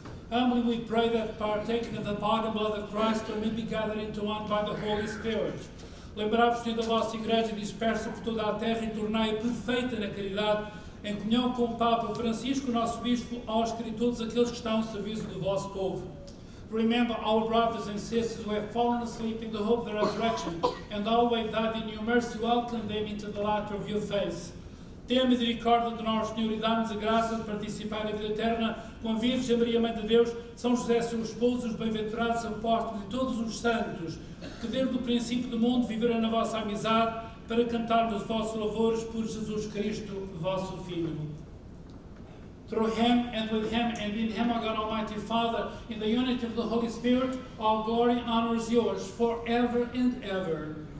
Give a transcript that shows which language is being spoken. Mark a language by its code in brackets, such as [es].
[en] Humbly we pray that partaking of the body and blood of Christ we may be gathered into one by the Holy Spirit. [pt] Lembrai-vos da vossa Igreja dispersa por toda a terra e tornai-a perfeita na caridade, em comunhão com o Papa Francisco, nosso Bispo, aos queridos, aqueles que estão ao serviço do vosso povo. [en] Remember our brothers and sisters who have fallen asleep in the hope of the resurrection, and always that in your mercy welcome them into the light of your face. [pt] Tenha misericórdia de nós, Senhor, e dá-nos a graça de participar da vida eterna com a Virgem Maria, Mãe de Deus, São José, seu esposo, os bem-aventurados apóstolos e todos os santos, que desde o princípio do mundo viveram na vossa amizade, para cantarmos vossos louvores por Jesus Cristo, vosso Filho. [en] Through him, and with him, and in him, O God Almighty Father, in the unity of the Holy Spirit, all glory and honor is yours, forever and ever.